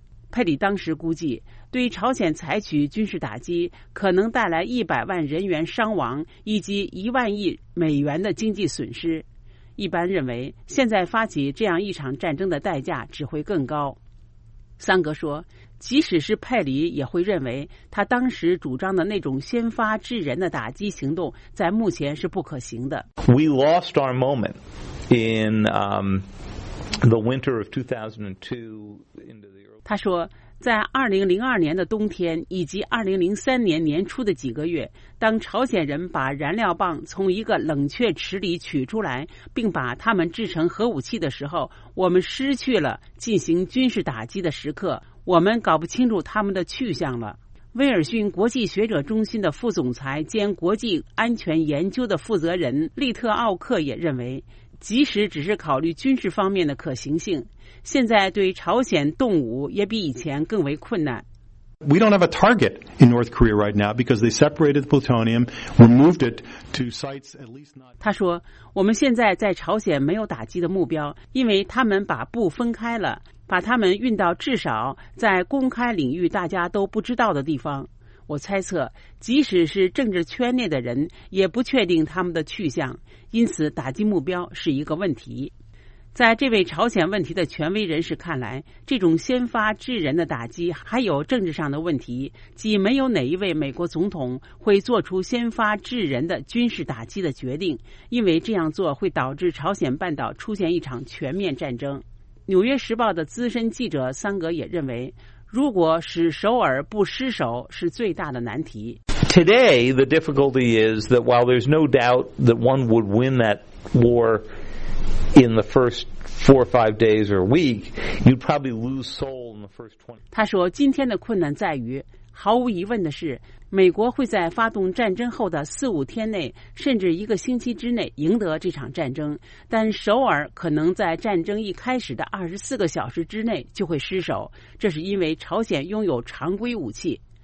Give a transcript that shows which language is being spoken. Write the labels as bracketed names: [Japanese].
[Chinese] 佩里当时估计，对于朝鲜采取军事打击，可能带来100万人员伤亡以及10000亿美元的经济损失。一般认为，现在发起这样一场战争的代价只会更高。桑格说，即使是佩里也会认为他当时主张的那种先发制人的打击行动在目前是不可行的。 [English] We lost our moment in the winter of 2002. [Chinese] 他说，在2002年的冬天以及2003年年初的几个月，当朝鲜人把燃料棒从一个冷却池里取出来并把它们制成核武器的时候，我们失去了进行军事打击的时刻，我们搞不清楚他们的去向了。威尔逊国际学者中心的副总裁兼国际安全研究的负责人利特奥克也认为，即使只是考虑军事方面的可行性，现在对朝鲜动武也比以前更为困难。 [English] We don't have a target in North Korea right now because they separated plutonium, removed it to sites at least not. [Chinese] 他说，我们现在在朝鲜没有打击的目标，因为他们把布分开了，把他们运到至少在公开领域大家都不知道的地方。我猜测，即使是政治圈内的人也不确定他们的去向，因此打击目标是一个问题。在这位朝鲜问题的权威人士看来，这种先发制人的打击还有政治上的问题，即没有哪一位美国总统会做出先发制人的军事打击的决定，因为这样做会导致朝鲜半岛出现一场全面战争。纽约时报的资深记者桑格也认为，如果使首尔不失守是最大的难题。 [English] Today, the difficulty is that while there's no doubt that one would win that war in the first four or five days or week, you'd probably lose Seoul in the first 20. [Chinese] 他说，今天的困难在于，毫无疑问的是，美国会在发动战争后的四五天内，甚至一个星期之内赢得这场战争，但首尔可能在战争一开始的24小时之内就会失守，这是因为朝鲜拥有常规武器。